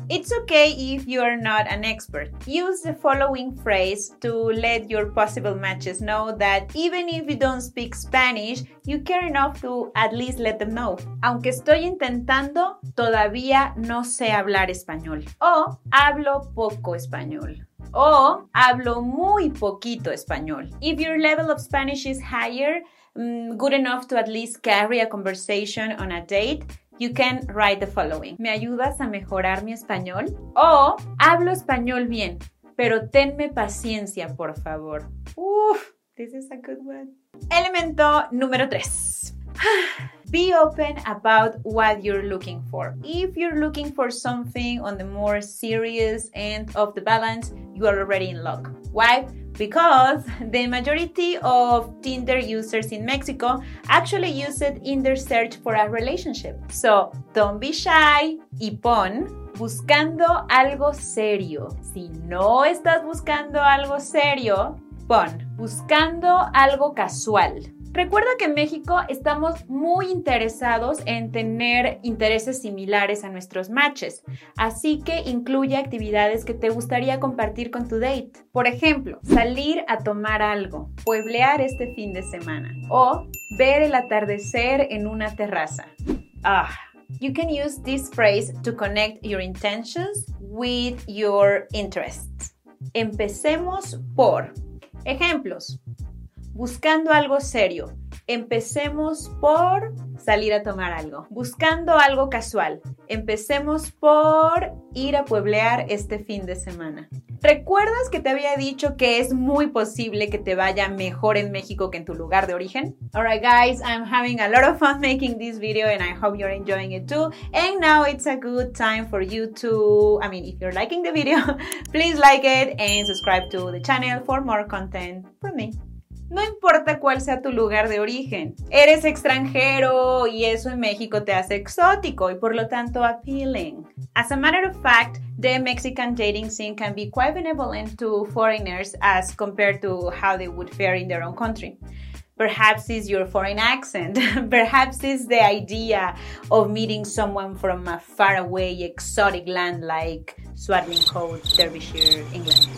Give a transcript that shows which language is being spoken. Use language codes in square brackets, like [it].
[en] It's okay if you are not an expert. Use the following phrase to let your possible matches know that even if you don't speak Spanish, you care enough to at least let them know. [es] Aunque estoy intentando, todavía no sé hablar español. O hablo poco español. O hablo muy poquito español. [en] If your level of Spanish is higher, good enough to at least carry a conversation on a date, you can write the following. [es] ¿Me ayudas a mejorar mi español? O, hablo español bien, pero tenme paciencia, por favor. [en] Uf, this is a good one. [es] Elemento número 3. [en] Be open about what you're looking for. If you're looking for something on the more serious end of the balance, you are already in luck. Why? Because the majority of Tinder users in Mexico actually use it in their search for a relationship. So don't be shy [es] y pon buscando algo serio. Si no estás buscando algo serio, pon buscando algo casual. Recuerda que en México estamos muy interesados en tener intereses similares a nuestros matches, así que incluye actividades que te gustaría compartir con tu date. Por ejemplo, salir a tomar algo, pueblear este fin de semana o ver el atardecer en una terraza. [en] You can use this phrase to connect your intentions with your interests. [es] Empecemos por ejemplos. Buscando algo serio, empecemos por salir a tomar algo. Buscando algo casual. Empecemos por ir a pueblear este fin de semana. ¿Recuerdas que te había dicho que es muy posible que te vaya mejor en México que en tu lugar de origen? [en] Alright guys, I'm having a lot of fun making this video and I hope you're enjoying it too. And now it's a good time for you to, I mean, if you're liking the video, please like it and subscribe to the channel for more content from me. [es] No importa cuál sea tu lugar de origen, eres extranjero y eso en México te hace exótico y por lo tanto appealing. [en] As a matter of fact, the Mexican dating scene can be quite benevolent to foreigners as compared to how they would fare in their own country. Perhaps it's your foreign accent. Perhaps it's the idea of meeting someone from a faraway exotic land like Swadling Coat, Derbyshire, England.